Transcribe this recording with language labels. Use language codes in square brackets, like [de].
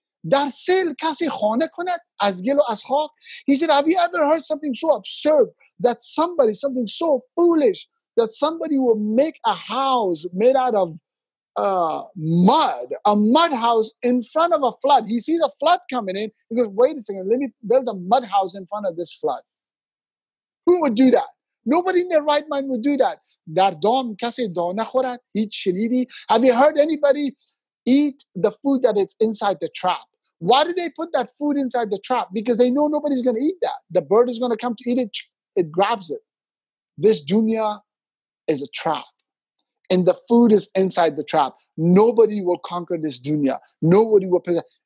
[fa] در سیل کسی خانه کند از گل و از خاک. [en] He said, have you ever heard something so absurd that somebody, something so foolish that somebody will make a house made out of mud, a mud house in front of a flood? He sees a flood coming in. He goes, wait a second, let me build a mud house in front of this flood. Who would do that? Nobody in their right mind would do that. [fa] در دام کسی دا نخورد هیچ شنیدی. [en] Have you heard anybody eat the food that is inside the trap? Why do they put that food inside the trap? Because they know nobody's going to eat that. The bird is going to come to eat it. It grabs it. This dunya is a trap. And the food is inside the trap. Nobody will conquer this dunya. Nobody will possess.